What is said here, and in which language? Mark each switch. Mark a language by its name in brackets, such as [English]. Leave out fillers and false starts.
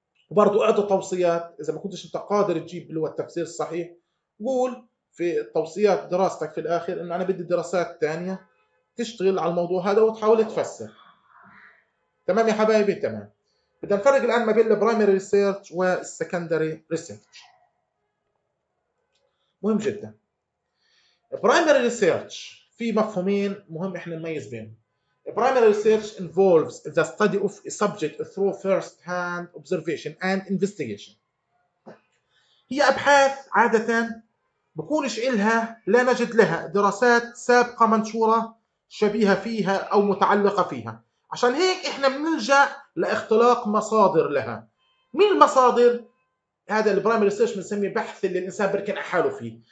[Arabic] وبرضو اعطوا توصيات، اذا ما كنتش انت قادر تجيب اللي هو التفسير الصحيح قول في توصيات دراستك في الاخر انه انا بدي دراسات ثانيه تشتغل على الموضوع هذا وتحاول تفسر. تمام يا حبايبي. تمام. بدنا نفرق الان ما بين البرايمري ريسيرش والسكندري ريسيرش. مهم جدا. البرايمري ريسيرش في مفهومين مهم احنا نميز بينهم. [English] Primary research involves the study of a subject through first-hand observation and investigation. [Arabic] هي أبحاث عادة بكونش إلها لا نجد لها دراسات سابقة منشورة شبيهة فيها أو متعلقة فيها. عشان هيك إحنا بنلجأ لاختلاق مصادر لها. مين المصادر؟ هذا البرايمري ريسيرش بنسميه بحث اللي الإنسان بركن حاله فيه.